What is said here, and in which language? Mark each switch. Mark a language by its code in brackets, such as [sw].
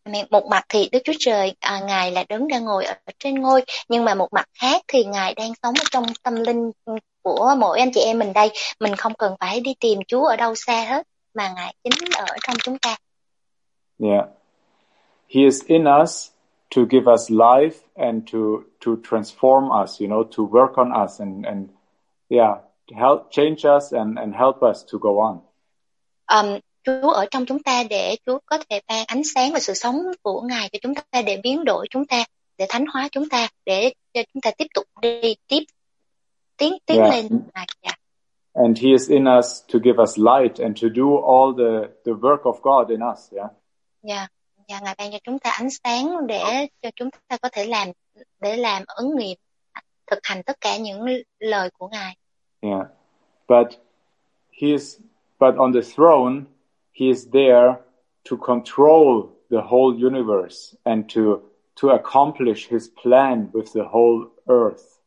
[vi] Một mặt thì Đức Chúa Trời ngài là đứng đang ngồi ở trên ngôi, nhưng mà một mặt khác thì ngài đang sống trong tâm linh của mỗi anh chị em mình đây. Mình không cần phải đi tìm Chúa ở đâu xa hết, mà ngài chính ở trong chúng ta. Yeah. [en] He is in us to give us life and to transform us, you know, to work on us and yeah, to help change us and help us to go on. [vi] Chúa ở trong chúng ta để Chúa có thể ban ánh sáng và sự sống của Ngài cho chúng ta, để biến đổi chúng ta, để thánh hóa chúng ta, để cho chúng ta tiếp tục đi tiến yeah. lên Ngài. Yeah. [en] And he is in us to give us light and to do all the work of God in us, yeah. Yeah. [vi] Yeah, Ngài ban cho chúng ta ánh sáng để cho chúng ta có thể làm, để làm ứng nghiệp, thực hành tất cả những lời của Ngài. Yeah. [en] But on the throne he is there to control the whole universe and to accomplish his plan with the whole earth.